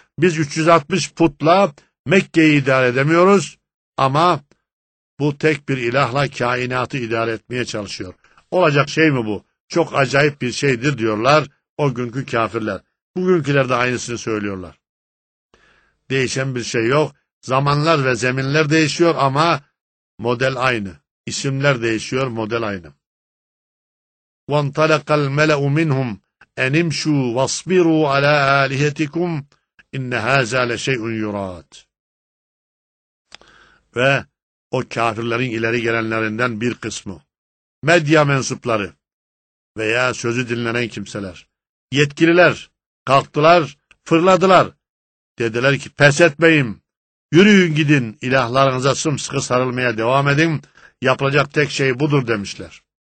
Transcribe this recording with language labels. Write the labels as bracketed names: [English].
[Turkish] Biz 360 putla Mekke'yi idare edemiyoruz ama bu tek bir ilahla kainatı idare etmeye çalışıyor. Olacak şey mi bu? Çok acayip bir şeydir diyorlar o günkü kafirler. Bugünküler de aynısını söylüyorlar. Değişen bir şey yok. Zamanlar ve zeminler değişiyor ama model aynı. İsimler değişiyor, model aynı. [Arabic] وانطلق الملأ منهم أن امشوا واصبروا على آلهتكم إن هذا لشيء يراد. [Turkish] Ve o kafirlerin ileri gelenlerinden bir kısmı, medya mensupları veya sözü dinlenen kimseler, yetkililer kalktılar, fırladılar. Dediler ki, pes etmeyin, yürüyün gidin, ilahlarınıza sımsıkı sarılmaya devam edin, yapılacak tek şey budur demişler.